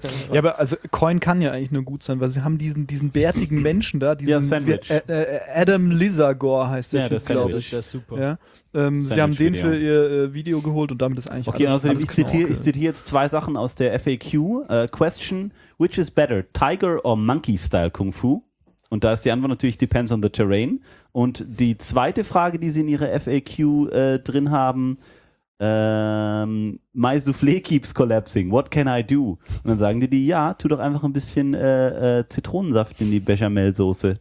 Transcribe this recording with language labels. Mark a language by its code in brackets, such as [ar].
[de] Ja, aber also Coin kann ja eigentlich nur gut sein, weil sie haben diesen bärtigen Menschen da, Adam Lizagor heißt der Typ, glaube ich. Der ist super. Ja. Sie haben den für ihr Video geholt und damit ist eigentlich okay, alles. Okay, ich zitiere jetzt zwei Sachen aus der FAQ. [en] Question, which is better, Tiger or Monkey Style Kung Fu? [de] Und da ist die Antwort natürlich, [en] depends on the terrain. [de] Und die zweite Frage, die sie in ihrer FAQ drin haben, [en] my Soufflé keeps collapsing, what can I do? [de] Und dann sagen die, ja, tu doch einfach ein bisschen Zitronensaft in die Bechamel-Soße.